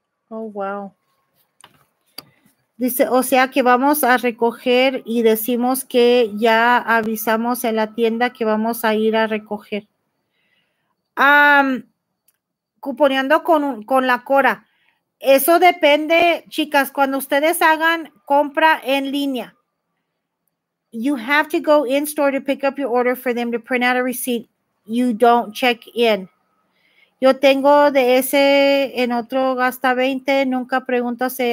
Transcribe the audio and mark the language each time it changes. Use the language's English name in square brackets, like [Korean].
[English] Oh, wow. [Spanish] Dice, o sea que vamos a recoger y decimos que ya avisamos en la tienda que vamos a ir a recoger. Cuponeando con la Cora. Eso depende, chicas, cuando ustedes hagan compra en línea. [English] You have to go in store to pick up your order for them to print out a receipt. You don't check in. [Spanish] Yo tengo de ese en otro gasta 20, nunca pregunto.